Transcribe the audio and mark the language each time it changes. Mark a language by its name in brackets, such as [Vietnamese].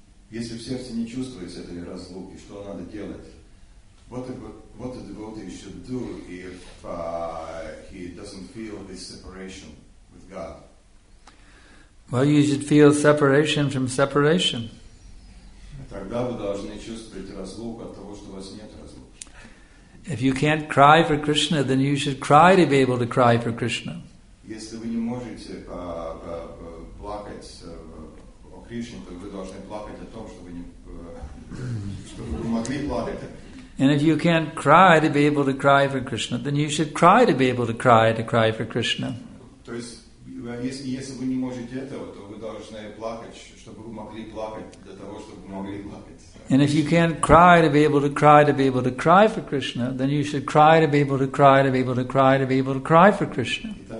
[Russian] Если в сердце не чувствуется этой разлуки, что надо делать? [English] What the devotee should do if he doesn't feel this separation with God? Well, you should feel separation from separation. [Russian] Тогда вы должны чувствовать разлуку от того, что у вас нет разлуки. [English] If you can't cry for Krishna, then you should cry to be able to cry for Krishna. [Russian] Если вы не можете плакать о Кришне, то вы должны плакать о том, чтобы вы могли плакать. [English] And if you can't cry to be able to cry for Krishna, then you should cry to be able to cry for Krishna. [Russian] То есть, если вы не можете этого, то вы должны плакать, чтобы вы могли плакать для того, чтобы вы могли плакать. [English] And if you can't cry to be able to cry to be able to cry for Krishna, then you should cry to be able to cry to be able to cry to be able to cry for Krishna.